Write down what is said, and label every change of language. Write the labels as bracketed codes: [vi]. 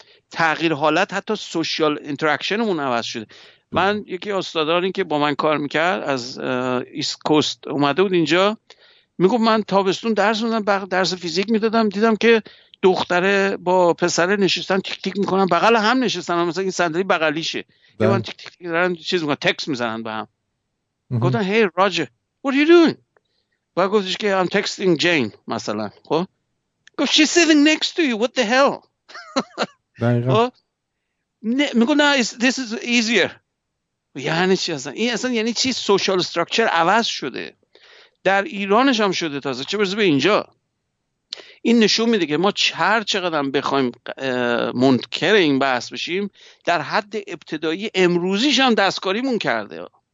[fa] تغییر حالت، حتی سوشیال اینتراکشنمون عوض شده. من یکی استادانی که با من کار میکرد از ایست کوست اومده بود اینجا، میگفت من تابستون درس میدادم، بعد درس فیزیک میدادم، دیدم که دختره با پسره نشستن تیک تیک میکنن، بغل هم نشستن، مثلا این صندلی بغلیشه، یه من تیک تیک تیک دارن چیز میکنن، تکس میزنن با هم. گفتن هی راجر [en] what are you doing؟ [fa] و گفتش که [en] I'm texting Jane [fa] مثلا. خب گفت [en] she's sitting next to you, what the hell. [fa] میگفت نه [en] this is easier. [fa] یعنی چی اصلا؟ این اصلا یعنی چی؟ سوشال استراکچر عوض شده، در ایرانش هم شده تازه، چه برسه به اینجا. این نشون میده که ما هر چقدر هم بخوایم منکر این بحث بشیم، در حد ابتدایی امروزیش هم دستکاریمون کرده.